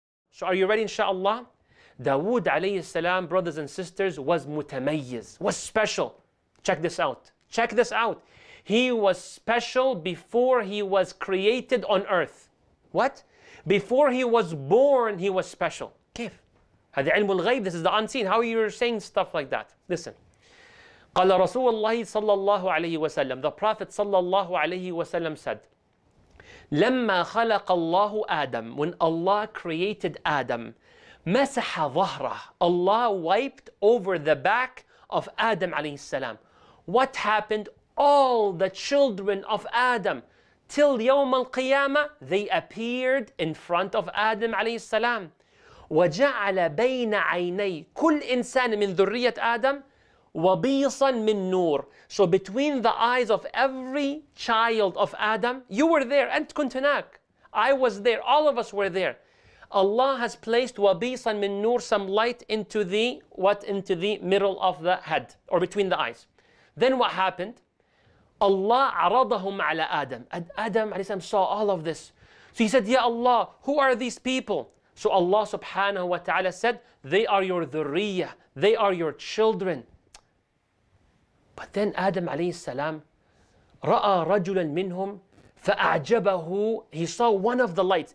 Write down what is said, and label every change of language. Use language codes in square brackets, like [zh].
[en] So are you ready, inshallah? Dawood alayhi salam, brothers and sisters, was mutamayyiz, was special. Check this out. Check this out. He was special before he was created on earth. What? Before he was born, he was special. [ar] كيف? هذا علم الغيب, [en] this is the unseen. How are you saying stuff like that? Listen. [ar] قال رسول الله صلى الله عليه وسلم, [en] the Prophet [ar] صلى الله عليه وسلم [en] said, [ar] لما خلق الله آدم, [en] when Allah created Adam, [ar] مسح ظهره, [en] Allah wiped over the back of Adam [ar] عليه السلام. [en] What happened? All the children of Adam, till [ar] يوم القيامة, [en] they appeared in front of Adam عليه السلام. [ar] وجعل بين عيني كل إنسان من ذرية آدم وبيصا من نور. [en] So between the eyes of every child of Adam, you were there, [ar] أنت كنت هناك. [en] I was there, all of us were there. Allah has placed [ar] وبيصا من نور, [en] some light into the, what, into the middle of the head, or between the eyes. Then what happened? [ar] Allah عرضهم على آدم. [en] Adam عليه السلام saw all of this. So he said, Ya Allah, who are these people? So Allah subhanahu wa ta'ala said, they are your dhurriyah, they are your children. But then Adam alayhi salam [ar] ra'a rajulan minhum fa'ajabahu, [en] he saw one of the lights.